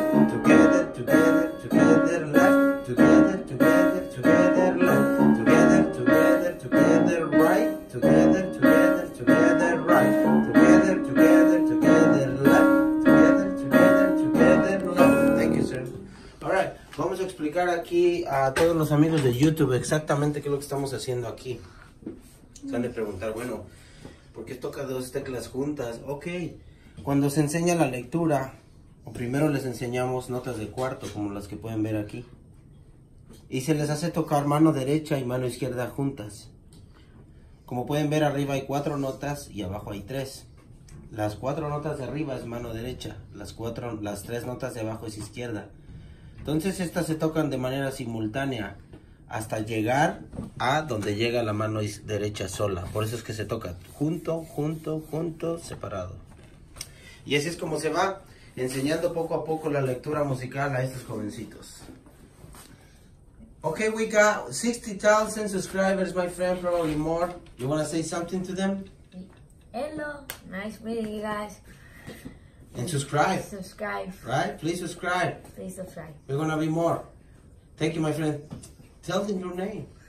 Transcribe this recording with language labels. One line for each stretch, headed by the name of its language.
English: Together, together, together, left. Together, together, together, left. Together, together, together, right. Together, together, together, right. Together, together, together, left. Together, together, together, left. Thank you, sir. All right.
Spanish: Vamos a explicar aquí a todos los amigos de YouTube exactamente qué es lo que estamos haciendo aquí. Se han de preguntar, bueno, ¿por qué toca dos teclas juntas? Ok, cuando se enseña la lectura, primero les enseñamos notas de cuarto, como las que pueden ver aquí. Y se les hace tocar mano derecha y mano izquierda juntas. Como pueden ver, arriba hay cuatro notas y abajo hay tres. Las cuatro notas de arriba es mano derecha, las tres notas de abajo es izquierda. Entonces estas se tocan de manera simultánea hasta llegar a donde llega la mano derecha sola. Por eso es que se toca junto, junto, junto, separado. Y así es como se va enseñando poco a poco la lectura musical a estos jovencitos.
English: Okay, we got 60,000 subscribers, my friend, probably more. You want to say something to them? Hello, nice meeting you guys. And subscribe. Subscribe. Right? Please subscribe. Please subscribe. We're going to be more. Thank you, my friend. Tell them your name.